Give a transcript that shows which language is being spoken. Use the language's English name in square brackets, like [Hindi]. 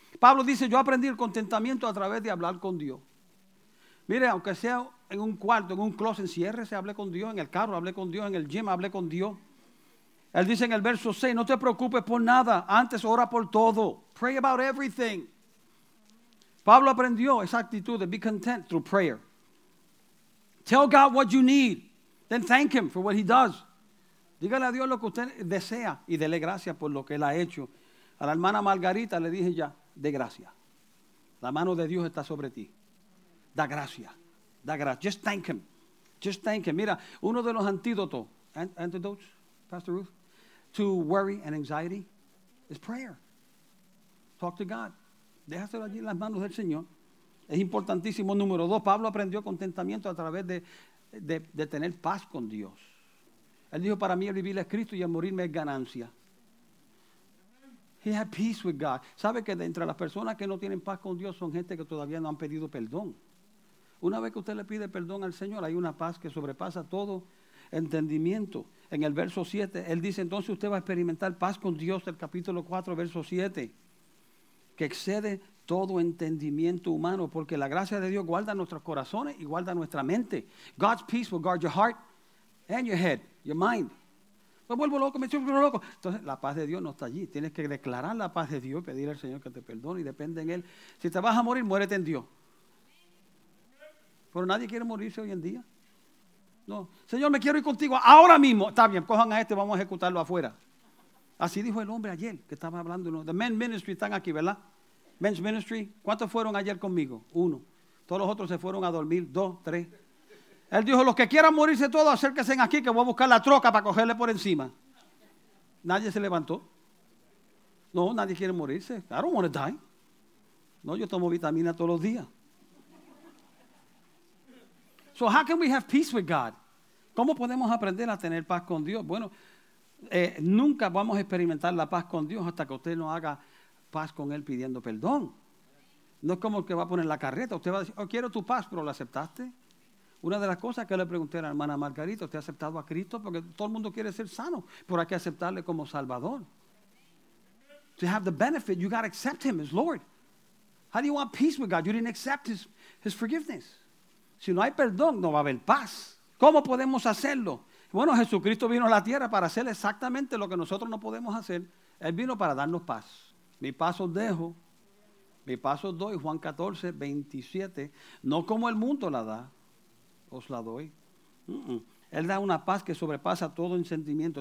[Spanish] Pablo dice, yo aprendí el contentamiento a través de hablar con Dios. Mire, aunque sea en un cuarto, en un closet, enciérrese, hablé con Dios, en el carro hablé con Dios, en el gym hablé con Dios. Él dice en el verso 6, no te preocupes por nada, antes ora por todo. [English] Pray about everything. [Spanish] Pablo aprendió esa actitud de [English] be content through prayer. Tell God what you need, then thank him for what he does. [Spanish] Dígale a Dios lo que usted desea y dele gracias por lo que él ha hecho. A la hermana Margarita le dije ya, de gracia. La mano de Dios está sobre ti. Da gracia, da gracia. [English] Just thank him, just thank him. [Spanish] Mira, uno de los antídotos, [English] Pastor Ruth, to worry and anxiety is prayer. Talk to God. [Spanish] Déjaselo allí en las manos del Señor. Es importantísimo. Número dos, Pablo aprendió contentamiento a través de tener paz con Dios. Él dijo, para mí el vivir es Cristo y el morirme es ganancia. [English] He had peace with God. [Spanish] ¿Sabe que de entre las personas que no tienen paz con Dios son gente que todavía no han pedido perdón? Una vez que usted le pide perdón al Señor, hay una paz que sobrepasa todo entendimiento. En el verso 7, él dice, entonces usted va a experimentar paz con Dios, del capítulo 4, verso 7, que excede todo entendimiento humano, porque la gracia de Dios guarda nuestros corazones y guarda nuestra mente. [English] God's peace will guard your heart and your head, your mind. [Spanish] Me vuelvo loco, me siento loco. Entonces, la paz de Dios no está allí. Tienes que declarar la paz de Dios, pedir al Señor que te perdone y depende en Él. Si te vas a morir, muérete en Dios. Pero nadie quiere morirse hoy en día. No, Señor, me quiero ir contigo ahora mismo. Está bien, cojan a este, vamos a ejecutarlo afuera. Así dijo el hombre ayer que estaba hablando. [English] The men ministry [Spanish] están aquí, ¿verdad? Men's ministry, ¿cuántos fueron ayer conmigo? Uno. Todos los otros se fueron a dormir. Dos, tres. Él dijo, los que quieran morirse todos, acérquense aquí que voy a buscar la troca para cogerle por encima. Nadie se levantó. No, nadie quiere morirse. [English] I don't want to die. [Spanish] No, yo tomo vitamina todos los días. [English] So how can we have peace with God? [Spanish] ¿Cómo podemos aprender a tener paz con Dios? Bueno, nunca vamos a experimentar la paz con Dios hasta que usted no haga paz con Él pidiendo perdón. No es como el que va a poner la carreta. Usted va a decir, oh, quiero tu paz, pero ¿la aceptaste? Una de las cosas que le pregunté a la hermana Margarita, ¿usted ha aceptado a Cristo? Porque todo el mundo quiere ser sano, pero hay que aceptarle como Salvador. [English] To have the benefit, you got to accept Him as Lord. How do you want peace with God? You didn't accept His forgiveness. [Spanish] Si no hay perdón, no va a haber paz. ¿Cómo podemos hacerlo? Bueno, Jesucristo vino a la tierra para hacer exactamente lo que nosotros no podemos hacer. Él vino para darnos paz. Mi paz os dejo, mi paz os doy, Juan 14, 27. No como el mundo la da, os la doy. Él da una paz que sobrepasa todo entendimiento.